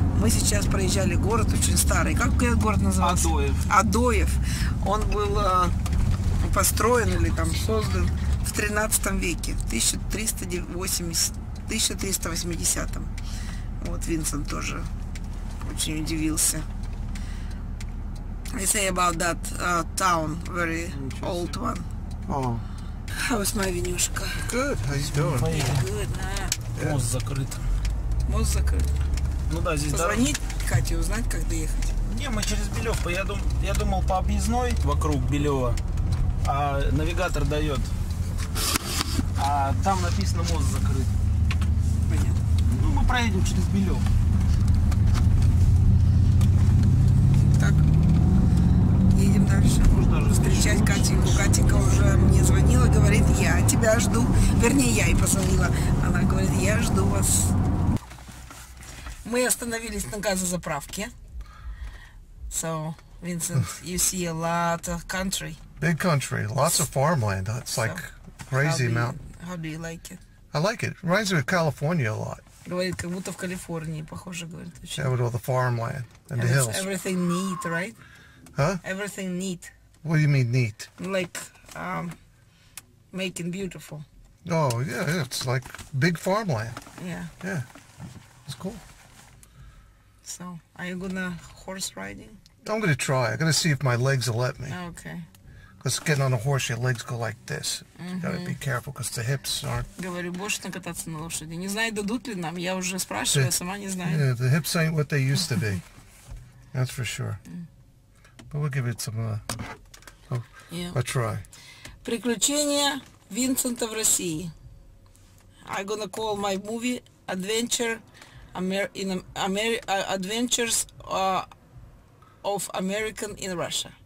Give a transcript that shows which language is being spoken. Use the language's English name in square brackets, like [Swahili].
[Russian] Мы сейчас проезжали город очень старый, как этот город называется? Адоев. Адоев. Он был построен или там создан в 13 веке, в 1380-м. Вот Винсент тоже очень удивился. [English] They say about that town, very old one. Oh. How is my винюшка? Good, how you doing? Good, nah. Yeah. [Russian] Мост закрыт. Мост закрыт? Ну да, здесь позвонить Кате, узнать, как доехать? Не, мы через Белёвку. Я думал по объездной вокруг Белёва, а навигатор дает. А там написано мост закрыт. Понятно. Ну, мы проедем через Белёв. Так, едем дальше. Можно даже встречать Катеньку. Катенька уже мне звонила, говорит, я тебя жду. Вернее, я ей позвонила. Она говорит, я жду вас. Мы остановились на газозаправке. [English] So, Vincent, you see a lot of country. Big country, lots of farmland. It's like crazy amount. How do you like it? I like it. It reminds me of California a lot. [Russian] Говорит, как будто в Калифорнии, похоже, говорит. [English] Yeah, with all the farmland and the hills. Everything neat, right? Huh? Everything neat. What do you mean neat? Like, making beautiful. Oh, yeah, it's like big farmland. Yeah. Yeah. It's cool. So, are you gonna horse riding? I'm gonna try. I'm gonna see if my legs will let me. Okay. Because getting on a horse, your legs go like this. You gotta be careful, because the hips aren't... [Russian] Говорю, больше не кататься на лошади. Не знаю, дадут ли нам. Я уже спрашиваю, сама не знаю. [English] Yeah, the hips ain't what they used to be. That's for sure. But we'll give it some a try. [Russian] Приключения Винсента в России. [English] I'm gonna call my movie Adventures of American in Russia.